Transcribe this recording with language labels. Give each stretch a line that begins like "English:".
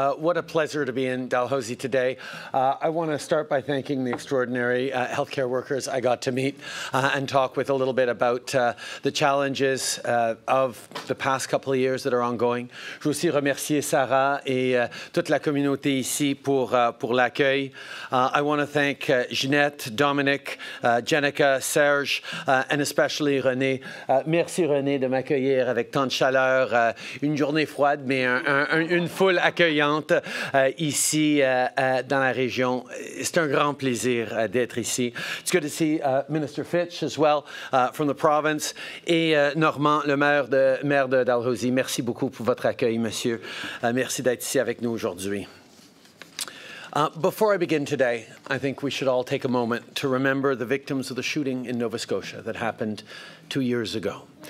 English: What a pleasure to be in Dalhousie today. I want to start by thanking the extraordinary healthcare workers I got to meet and talk with a little bit about the challenges of the past couple of years that are ongoing.
French: Je veux aussi remercier Sarah et toute la communauté ici pour l'accueil.
English: I want to thank Jeanette, Dominic, Jenica, Serge, and especially René.
French: Merci René de m'accueillir avec tant de chaleur, une journée froide, mais une foule accueillante ici dans la région. C'est un grand plaisir d'être ici.
English: It's good to see Minister Fitch as well from the province
French: et Normand, le maire de Dalhousie. Merci beaucoup pour votre accueil, monsieur. Merci d'être ici avec nous aujourd'hui.
English: Before I begin today, I think we should all take a moment to remember the victims of the shooting in Nova Scotia that happened 2 years ago.